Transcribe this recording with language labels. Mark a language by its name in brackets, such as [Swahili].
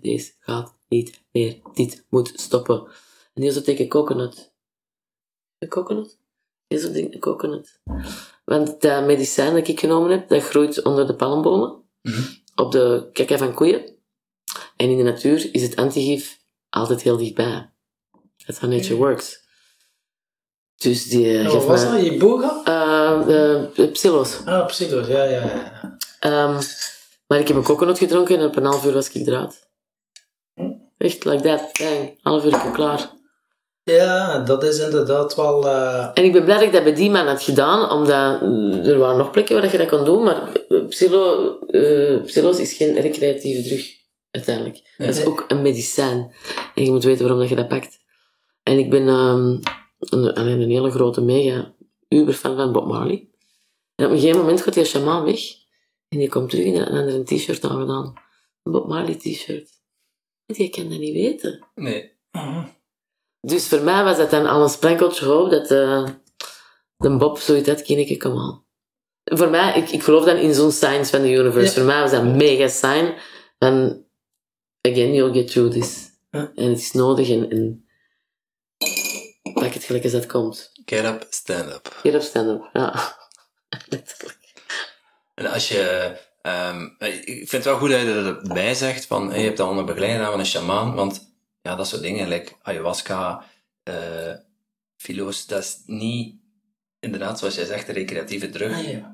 [Dutch] Deze gaat niet meer. Dit moet stoppen. En die is ook tegen coconut. Een coconut? Die is ook tegen coconut. Want dat medicijn dat ik genomen heb, dat groeit onder de palmbomen. Mm-hmm. Op de kakken van koeien. En in de natuur is het antigif altijd heel dichtbij. [English] That's how nature works. [Dutch] Dus die... Wat was dat? Iboga? de psilo's. Ah, psilo's, ja, ja, ja. Maar ik heb een coconut gedronken en op een half uur was ik eruit. Echt, [English] like that. Bang. [Dutch] Half uur ik ben klaar. Ja, dat is inderdaad wel... En ik ben blij dat ik dat bij die man had gedaan, omdat er waren nog plekken waar je dat kon doen, maar psilo's is geen recreatieve drug, uiteindelijk. Nee. Dat is ook een medicijn. En je moet weten waarom dat je dat pakt. En ik ben een hele grote, mega uberfan van Bob Marley. En op een gegeven moment gaat die shaman weg. En die komt terug en dan had er een t-shirt aangedaan. Een Bob Marley t-shirt. Want jij kan dat niet weten. Nee. Uh-huh. Dus voor mij was dat dan al een sprenkeltje hoop dat de Bob zoiets had, kan ik hem al. Voor mij, ik geloof dan in zo'n science van de universe. Ja. Voor mij was dat mega sign. [English] En again, you'll get through this. Huh? [Dutch] En het is nodig en pak het gelijk als dat komt. [English] Get up, stand up. Get up, stand up, ja. [Dutch] En als je... ik vind het wel goed dat je erbij zegt van, hey, je hebt dat onder begeleiding van een sjamaan, want ja, dat soort dingen, like ayahuasca, filo's, dat is niet inderdaad, zoals jij zegt, de recreatieve drug.